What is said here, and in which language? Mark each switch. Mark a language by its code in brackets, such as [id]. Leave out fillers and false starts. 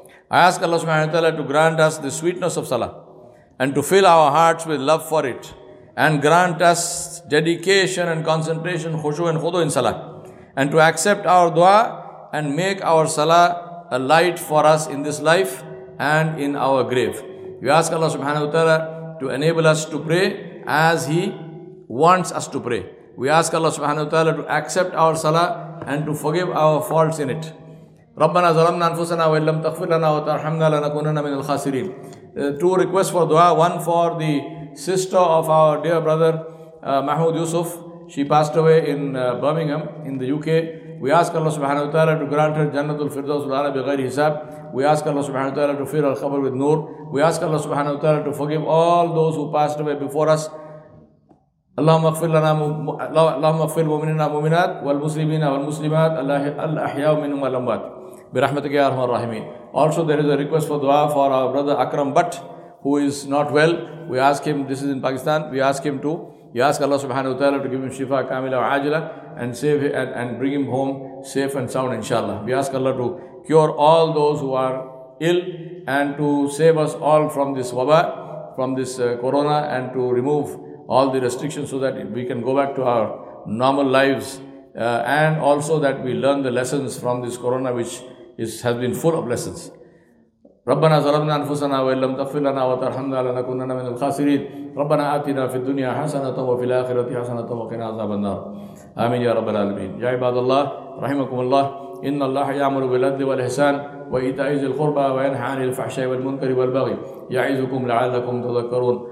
[en] I ask Allah subhanahu wa ta'ala to grant us the sweetness of salah and to fill our hearts with love for it and grant us dedication and concentration, khushu and khudu in salah, and to accept our dua and make our salah a light for us in this life and in our grave. We ask Allah subhanahu wa ta'ala to enable us to pray as He wants us to pray. We ask Allah subhanahu wa ta'ala to accept our salah and to forgive our faults in it. [ar] ربنا ظلمنا انفسنا وان لم تغفر لنا وترحمنا لنكونن من الخاسرين. [en] Two requests for dua. One for the sister of our dear brother Mahmoud Yusuf. She passed away in Birmingham in the UK. We ask Allah subhanahu wa ta'ala to grant her Jannatul Firdaus al-Ala bi ghayri hisab. We ask Allah subhanahu wa ta'ala to fill al-khabar with noor. We ask Allah subhanahu wa ta'ala to forgive all those who passed away before us. [ar] اللهم اغفر لنا اللهم اغفر المؤمنين المؤمنات والمسلمين والمسلمات الأحياء منهم والأموات برحمتك يا أرحم الراحمين. [en] Also there is a request for dua for our brother Akram Butt, who is not well. We ask him, this is in Pakistan, we ask Allah subhanahu wa ta'ala to give him shifa kamila wa ajila and save him and bring him home safe and sound inshallah. We ask Allah to cure all those who are ill and to save us all from this waba, from this corona, and to remove all the restrictions so that we can go back to our normal lives, and also that we learn the lessons from this corona, which has been full of lessons. [ar] ربنا ظلمنا انفسنا وان لم تغفر لنا وترحمنا لنكونن من الخاسرين. ربنا آتنا في الدنيا حسنة وفي الآخرة حسنة وقنا عذاب النار. آمين يا رب العالمين. يا عباد الله رحمكم الله, إن الله يأمر بالعدل والإحسان وإيتاء ذي القربى وينهى عن الفحشاء والمنكر والبغي يعظكم لعلكم تذكرون.